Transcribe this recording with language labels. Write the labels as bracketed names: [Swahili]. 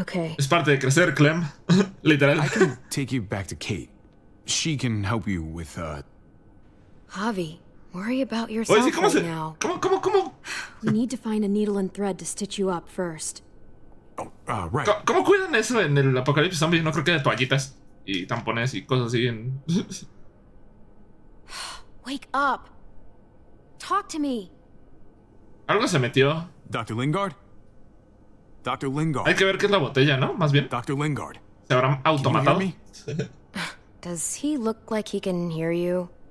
[English] Okay. [Spanish] Es parte de crecer, Clem. Literal. [English] I can take you back to Kate. She can help you with, Javi, worry about yourself. [Spanish] Oye, sí, ¿cómo se... [English] now. [Spanish] ¿Cómo? [English] We need to find a needle and thread to stitch you up first. Oh, right. [Spanish] ¿Cómo cuidan eso en el apocalipsis zombie? No creo que de toallitas y tampones y cosas así en... [English] Wake up. Talk to me. [Spanish] Algo se metió. [English] Dr. Lingard? Dr. Lingard. [Spanish] Hay que ver qué es la botella, ¿no? Más bien. [English] Dr. Lingard. [Spanish] ¿Se habrá automatado? [English] Does he look like he can hear you?